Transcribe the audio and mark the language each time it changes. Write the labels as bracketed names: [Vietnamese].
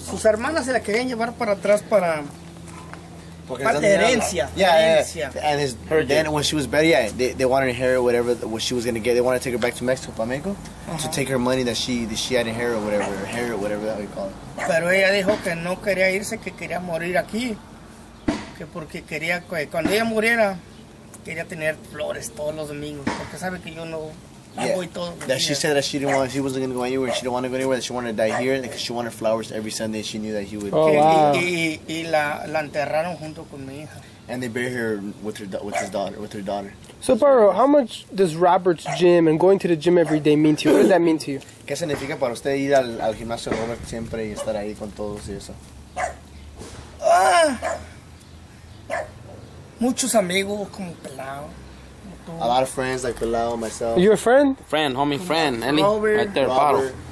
[Spanish] Sus hermanas se la querían llevar para atrás para... [English] And then when she was better, they wanted to inherit whatever what she was gonna get. They wanted to take her back to Mexico, [Spanish] pa Mexico, [English] to take her money that she had inherited, whatever that we call it. [Spanish] Pero ella dijo que no quería irse, que quería morir aquí, que porque quería que cuando ella muriera quería tener flores todos los domingos, porque sabe que yo no. [English] That she said that she wasn't gonna go anywhere. She didn't want to go anywhere. That she wanted to die here because she wanted flowers every Sunday. She knew that he would. Oh wow! [Spanish] Y la enterraron junto con mi hija. [English] And they buried her with her daughter. So, Pajaro, how much does Robert's gym and going to the gym every day mean to you? What does that mean to you? [Spanish] ¿Qué significa para usted ir al gimnasio Robert siempre y estar ahí con todos y eso? Muchos amigos como pelado. [English] A lot of friends, like Pelao, myself. You're a friend? Friend, homie, friend. Any? Robert. Right there, bottle.